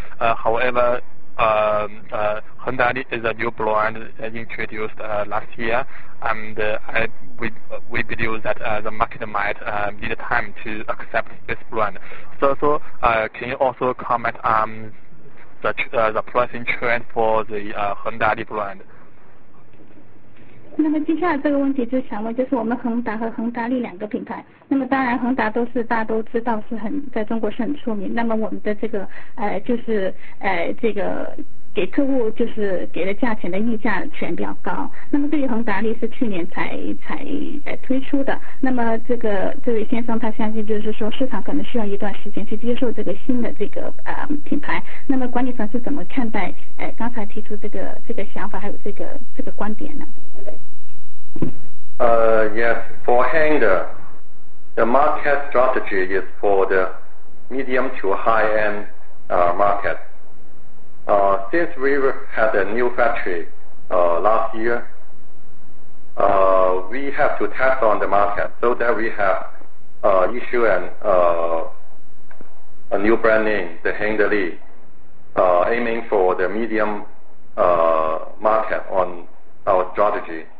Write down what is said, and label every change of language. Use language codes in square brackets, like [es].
[en] However, Honda is a new brand introduced last year, and we believe that the market might need time to accept this brand. So can you also comment on the pricing trend for the Honda brand? [zh] 那么接下来这个问题就想问，就是我们恒达和恒达利两个品牌，那么当然恒达都是大家都知道是很在中国是很出名，那么我们的这个就是这个给客户就是给的价钱的溢价权比较高，那么对于恒达利是去年才推出的，那么这位先生他相信就是说市场可能需要一段时间去接受这个新的这个品牌，那么管理层是怎么看待刚才提出这个想法还有这个观点呢？ [en] Yes, for Honda, the market strategy is for the medium to high-end market. Since we had a new factory last year, we have to test on the market so that we have issued a new brand name, the Honda Li, aiming for the medium market on our strategy.